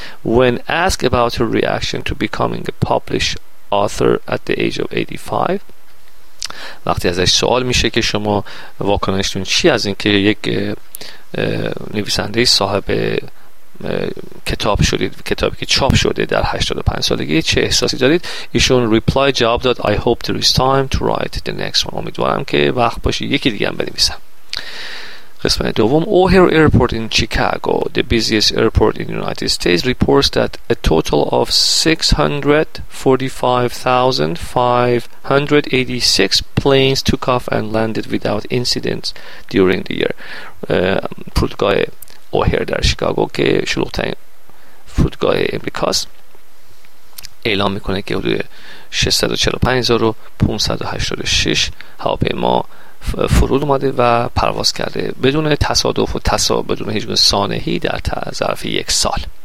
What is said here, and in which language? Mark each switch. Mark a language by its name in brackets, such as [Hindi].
[English] When asked about her reaction to becoming a published author at the age of 85, [Persian] وقتی ازش سوال میشه که شما واکنشتون چی از اینکه یک نویسنده صاحب کتاب شدید، کتابی که چاپ شده در 85 سالگی، چه احساسی دارید؟ ایشون ریپلای جواب داد [English] I hope there is time to write the next one. [Persian] امیدوارم که وقت باشه یکی دیگه هم بنویسم. قسمت دوم. [English] O'Hare Airport in Chicago, the busiest airport in the United States, reports that a total of 645,586 planes took off and landed without incidents during the year. [Persian] فرودگاه O'Hare در شیکاگو که شلوغ‌ترین فرودگاه امریکاست اعلام میکنه که حدود 645,586 هواپیما فرود اومده و پرواز کرده بدون تصادف و بدون هیچگونه سانحه‌ای در ظرف یک سال.